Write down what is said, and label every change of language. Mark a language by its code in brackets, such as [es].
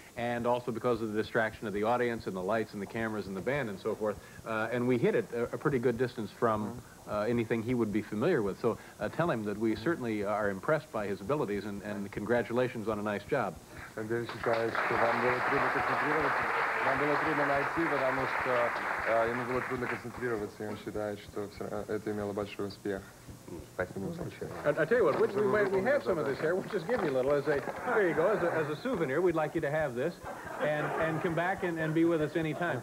[en] And also because of the distraction of the audience and the lights and the cameras and the band and so forth. And we hit it a pretty good distance from anything he would be familiar with. So tell him that we certainly are impressed by his abilities and congratulations on a nice job. And then she says, [ru] что вам было трудно концентрироваться. Вам было трудно найти, потому что ему было трудно концентрироваться. И он считает, что это имело большой успех. [en] I tell you what, which we have some of this hair, we'll just give you a little as a, there you go, as a souvenir. We'd like you to have this and come back and be with us anytime.